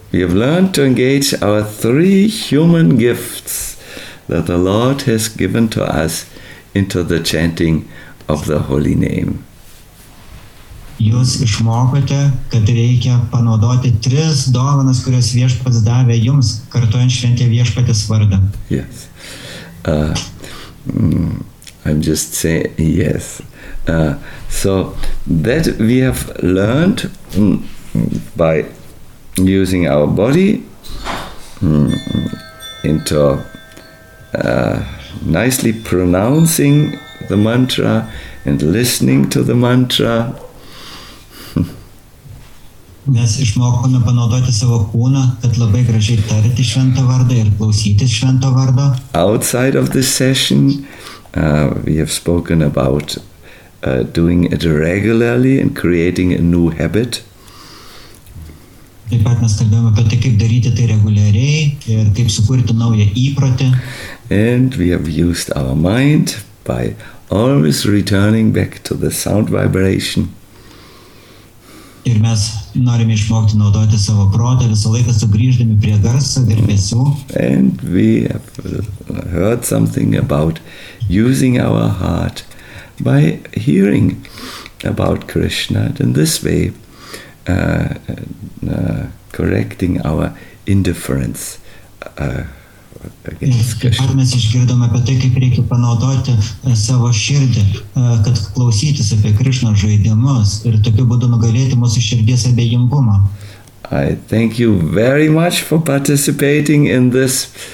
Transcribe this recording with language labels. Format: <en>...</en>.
<en>We have learned to engage our three human gifts that the Lord has given to us into the chanting of the holy name.</en> <lt>Jūs išmokote, kad reikia panaudoti tris dovanas, kurias Viešpats davė jums, kartuojant šventę Viešpatės vardą.</lt> <en>Yes. I'm just saying yes. So that we have learned by using our body into nicely pronouncing the mantra and listening to the mantra.</en> <lt>Mes išmokome panaudoti savo kūną, kad labai gražiai tarti šventą vardą ir klausytis švento vardo.</lt> <en>Outside of this session, we have spoken about doing it regularly and creating a new habit.</en> <lt>Taip pat mes kalbėjome apie tai, kaip daryti tai reguliariai ir kaip sukurti naują įprotį.</lt> <en>And we have used our mind by always returning back to the sound vibration.</en> <lt>Ir mes norime išmokti naudoti savo protą visą laiką sugrįždami prie garso ir visų.</lt> <en>And we have heard something about using our heart by hearing about Krishna in this way, correcting our indifference against Krishna.</en> <lt>Ir mes išgirdome apie tai, kaip reikia panaudoti savo širdį, kad klausytis apie Krishna žaidimus ir tokiu būdu nugalėti mūsų širdies abejingumą.</lt> <en>I thank you very much for participating in this.</en>